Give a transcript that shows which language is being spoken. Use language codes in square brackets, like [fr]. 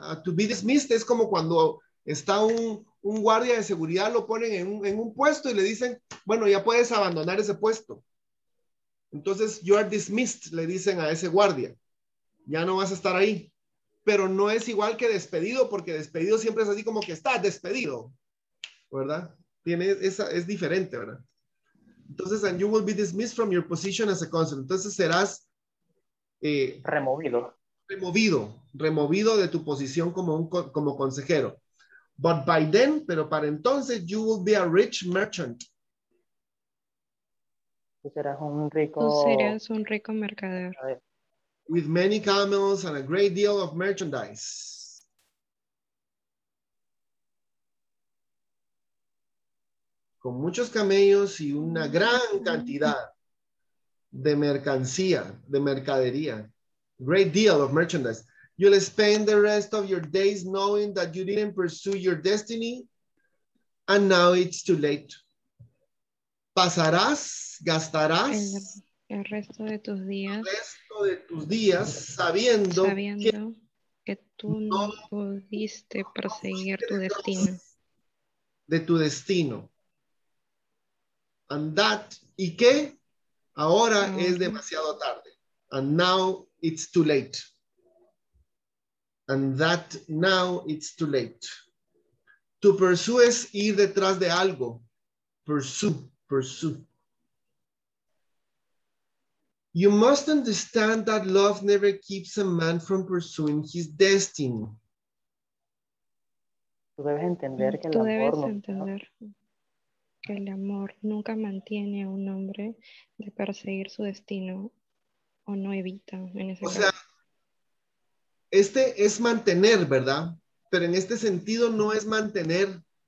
[es] A [en] to be dismissed [es] es como cuando está un guardia de seguridad, lo ponen en un puesto y le dicen, bueno, ya puedes abandonar ese puesto. Entonces, [en] you are dismissed, [es] le dicen a ese guardia. Ya no vas a estar ahí. Pero no es igual que despedido, porque despedido siempre es así como que está despedido. ¿Verdad? Es diferente, ¿verdad? [en] Entonces, and you will be dismissed from your position as a consul. [es] Entonces, serás removido. Removido de tu posición como consejero. [en] But by then, [es] pero para entonces, [en] you will be a rich merchant. [es] Tú serás un rico mercader. [en] With many camels and a great deal of merchandise. [es] Con muchos camellos y una gran cantidad de mercancía, de mercadería. [en] Great deal of merchandise. You'll spend the rest of your days knowing that you didn't pursue your destiny and now it's too late. [es] Pasarás, gastarás el resto de tus días, sabiendo que tú no pudiste perseguir tu destino. De tu destino. [en] And that, [es] ¿y qué? Ahora es demasiado tarde. [en] And now it's too late. And that now it's too late. To pursue [es] es ir detrás de algo. [en] Pursue. You must understand that love never keeps a man from pursuing his destiny. [es] Tú debes entender que el amor nunca mantiene a un hombre de perseguir su destino o no evita. O sea, este es mantener, ¿verdad? Pero en este sentido no es mantener.